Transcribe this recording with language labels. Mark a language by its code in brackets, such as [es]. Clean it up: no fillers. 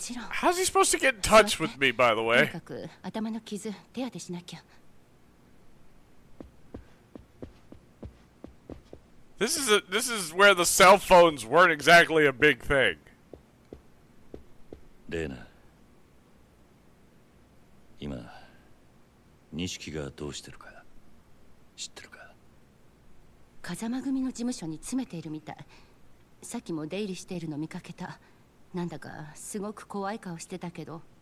[en] How's he supposed to get in touch with me, by the way? [ja] とにかく頭の傷、手当てしなきゃ。 [en] This is where the cell phones weren't exactly a big thing. [ja] レーナ、今、ニシキがどうしてるか、知ってるか？風間組の事務所に詰めているみたい。さっきも出入りしているの見かけた。なんだかすごく怖い顔してたけど。